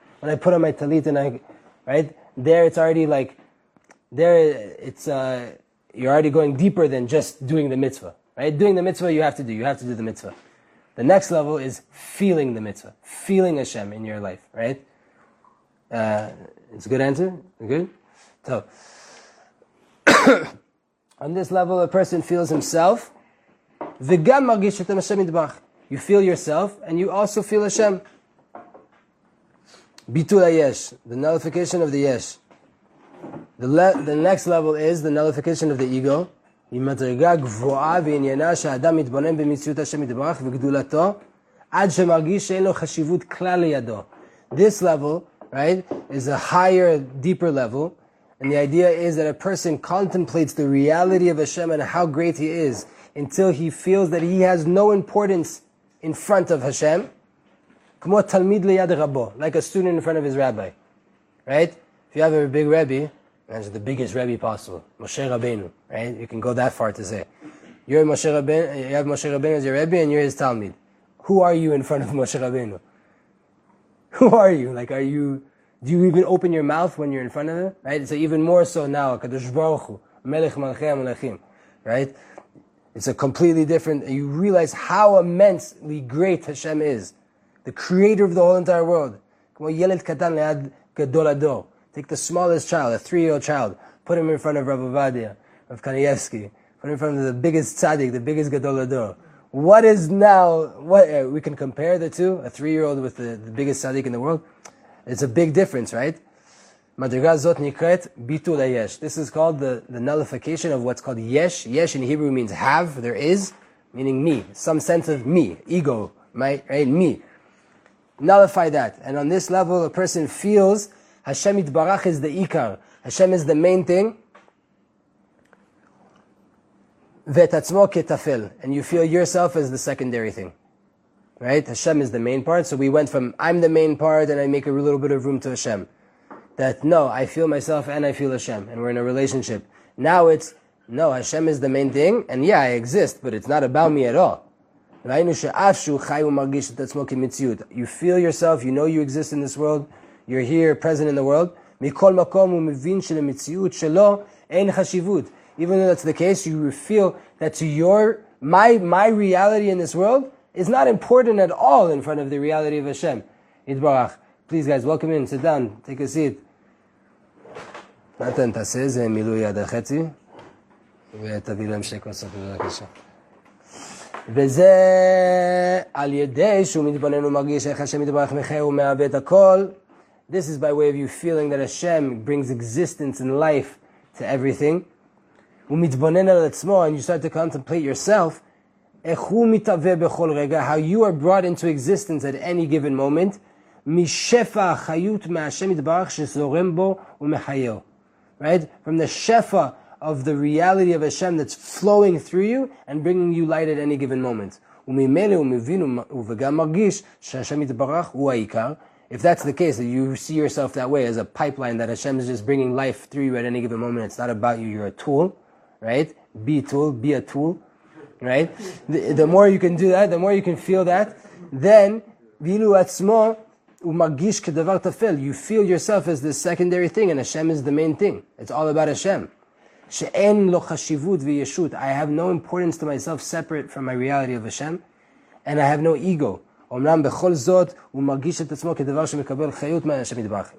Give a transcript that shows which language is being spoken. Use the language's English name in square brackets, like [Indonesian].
[English] When I put on my tallit and I, right? There it's already like, there it's, you're already going deeper than just doing the mitzvah. Right? Doing the mitzvah you have to do. You have to do the mitzvah. The next level is feeling the mitzvah, feeling Hashem in your life, right? It's a good answer? Good? So, on this level, a person feels himself. [Hebrew] וגם מרגיש שאתם השם יתברך. [English] You feel yourself, and you also feel Hashem. ביטול היש, the nullification of the yesh. The next level is the nullification of the ego. [Hebrew] ממדרגה גבוהה בעניינה שהאדם מתבונן במציאות השם יתברך וגדולתו, עד שמרגיש שאין לו חשיבות כלל לידו. [English] This level, right, is a higher, deeper level. And the idea is that a person contemplates the reality of Hashem and how great he is until he feels that he has no importance in front of Hashem. [Hebrew] כמו תלמיד ליד רבו, [English] like a student in front of his rabbi. Right? If you have a big rabbi, that's the biggest rabbi possible, Moshe Rabbeinu, right? You can go that far to say. You're Moshe Rabbeinu, you have Moshe Rabbeinu as your rabbi and you're his talmid. Who are you in front of Moshe Rabbeinu? Who are you? Like, are you, do you even open your mouth when you're in front of him? Right? It's even more so now, Kadosh Baruch Hu, Melech Malchei HaMelechim, right? It's a completely different, you realize how immensely great Hashem is. The creator of the whole entire world. [Hebrew] כמו ילד קטן ליד גדול הדור. [English] Take the smallest child, a three-year-old child, put him in front of Rav Ovadia, Rav Kanievsky, put him in front of the biggest tzaddik, the biggest gadol hador. What is now, what we can compare the two, a three-year-old with the biggest tzaddik in the world? It's a big difference, right? [Hebrew] Madriga zot nikret bitul ha-yesh. [English] This is called the nullification of what's called yesh. Yesh in Hebrew means have, there is, meaning me, some sense of me, ego, right? Me. Nullify that. And on this level, a person feels Hashem Yitbarach is the Ikar. Hashem is the main thing. [Hebrew] Ve'et atzmo ketafel. [English] And you feel yourself as the secondary thing. Right? Hashem is the main part. So we went from, I'm the main part and I make a little bit of room to Hashem. That, no, I feel myself and I feel Hashem. And we're in a relationship. Now it's, no, Hashem is the main thing. And yeah, I exist, but it's not about me at all. [Hebrew] Ve'ayinu she'af shu chai u'margish et atzmo kemitziyut. [English] You feel yourself, you know you exist in this world. You're here, present in the world. [Hebrew] מכל מקום הוא מבין שלמציאות שלו אין חשיבות. [English] Even though that's the case, you feel that to your, my reality in this world is not important at all in front of the reality of Hashem. יתברך. Please guys, welcome in, sit down, take a seat. [Hebrew] נתן, תעשה איזה מילוי עד החצי, ותביא להם שתי כוסות, בבקשה. וזה על ידי שהוא מתבונן ומרגיש איך השם יתברך מחיה ומאבד הכל, [English] this is by way of you feeling that Hashem brings existence and life to everything. [Hebrew] ומתבונן על עצמו, [English] and you start to contemplate yourself, [Hebrew] איך הוא מתהווה בכל רגע, [English] how you are brought into existence at any given moment, [Hebrew] משפע החיות מהשם יתברך שזורם בו ומחיהו. [English] Right? From the שפע of the reality of Hashem that's flowing through you and bringing you light at any given moment. [Hebrew] וממילא הוא מבין וגם מרגיש שהשם יתברך הוא העיקר. [English] If that's the case, that you see yourself that way, as a pipeline, that Hashem is just bringing life through you at any given moment, it's not about you, you're a tool, right? Be a tool, be a tool, right? The more you can do that, the more you can feel that, then, [Hebrew] ואילו עצמו, הוא מרגיש כדבר תפל, [English] you feel yourself as the secondary thing, and Hashem is the main thing. It's all about Hashem. [Hebrew] שאין לו חשיבות וישות, [English] I have no importance to myself separate from my reality of Hashem, and I have no ego. [Hebrew] אמנם בכל זאת הוא מרגיש את עצמו כדבר שמקבל חיות מהשם יתברך.